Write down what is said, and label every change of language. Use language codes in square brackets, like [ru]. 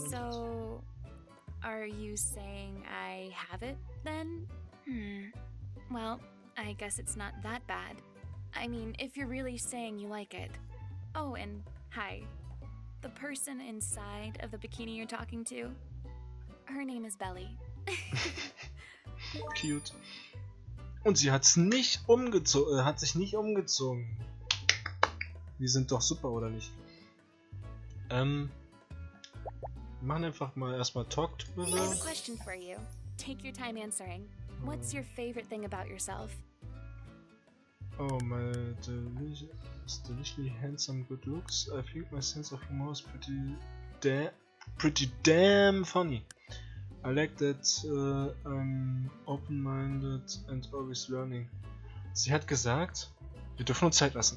[en] So, are you saying I have it then? Well, I guess it's not that bad. I mean, if you're really saying you like it. Oh, and hi. The person inside of the bikini you're talking to? Her name is Belly. Cute. [de] Und sie hat's nicht umgezogen, hat sich nicht umgezogen. Die sind doch super, oder nicht? Machen einfach mal erstmal [en] Talk to her. I have a question for you. Take your time answering. What's your favorite thing about yourself? Oh, my deliciously handsome good looks. I think my sense of humor is pretty damn funny. I like that I'm open-minded and always learning. [de] Sie hat gesagt, wir dürfen uns Zeit lassen.